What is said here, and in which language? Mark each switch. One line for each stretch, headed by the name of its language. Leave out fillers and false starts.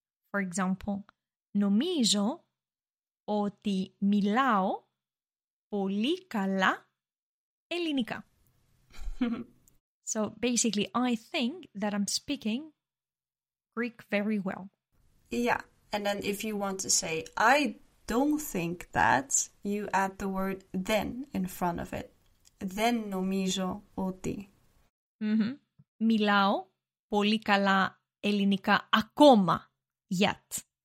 English: For example,
Greek: νομίζω ότι μιλάω πολύ καλά ελληνικά.
English: So, basically, I think that I'm speaking Greek very well. Yeah, and then if you want to say, I don't think that, you add the word then in front of it.
Greek: Then νομίζω ότι. Mm-hmm. Μιλάω. Πολύ καλά ελληνικά ακόμα,
English: yet.